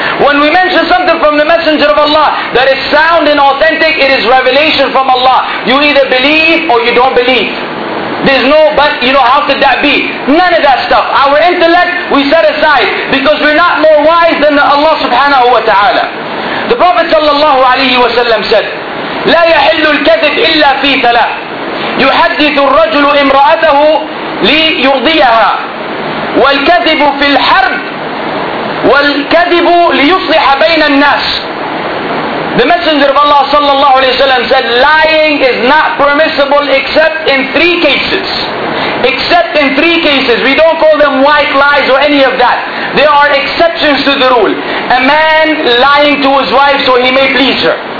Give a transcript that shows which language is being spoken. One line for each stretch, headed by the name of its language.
English: When we mention something from the Messenger of Allah that is sound and authentic, it is revelation from Allah. You either believe or you don't believe. There's no, but you know, how could that be? None of that stuff. Our intellect, we set aside because we're not more wise than Allah subhanahu wa ta'ala. The Prophet sallallahu alayhi wa sallam said,
Arabic: لا يحل الكذب إلا في ثلاث يحدث الرجل امرأته ليرضيها والكذب في الحرب والكذب ليصلح بين الناس.
English: The Messenger of Allah sallallahu alayhi wa sallam said, lying is not permissible except in three cases. Except in three cases. We don't call them white lies or any of that. There are exceptions to the rule. A man lying to his wife so he may please her.